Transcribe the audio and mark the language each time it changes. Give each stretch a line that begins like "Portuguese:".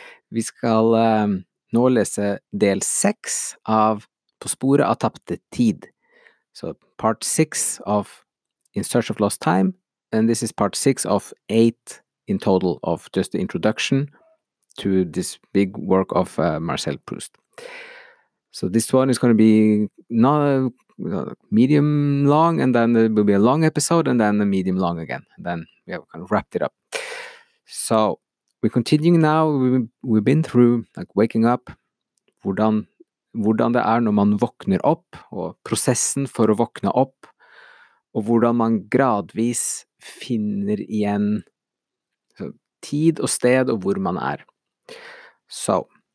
Norwegian: Vi skal nå lese del 6 av På sporet av tapte tid.
English: So part 6 of In Search of Lost Time. And this is part 6 of 8 in total of just the introduction to this big work of Marcel Proust. So this one is going to be not medium long, and then there will be a long episode, and then a medium long again. And then we have kind of wrapped it up. So we're continuing now. We've been through like waking up,
Norwegian: hvordan det når man våkner opp, og prosessen for å våkne opp, og hvordan man gradvis finner igjen tid og sted og hvor man Så.